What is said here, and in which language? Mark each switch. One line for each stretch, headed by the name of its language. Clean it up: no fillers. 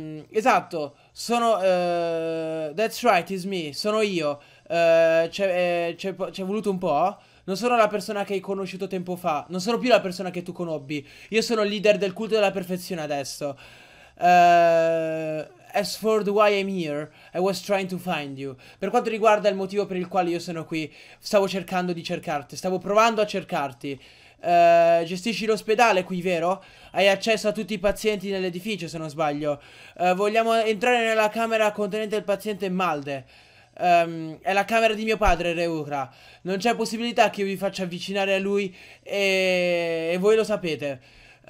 Italian: Esatto, sono...
English: that's right, it's me,
Italian: sono io. C'è voluto un po'. Non sono la persona che hai conosciuto tempo fa. Non sono più la persona che tu conobbi. Io sono il leader del culto della perfezione adesso.
English: As for the why I'm here, I was trying to find you.
Italian: Per quanto riguarda il motivo per il quale io sono qui, stavo cercando di cercarti. Stavo provando a cercarti. Gestisci l'ospedale qui, vero? Hai accesso a tutti i pazienti nell'edificio, se non sbaglio. Vogliamo entrare nella camera contenente il paziente Malde. È la camera di mio padre, Reukra. Non c'è possibilità che io vi faccia avvicinare a lui e voi lo sapete.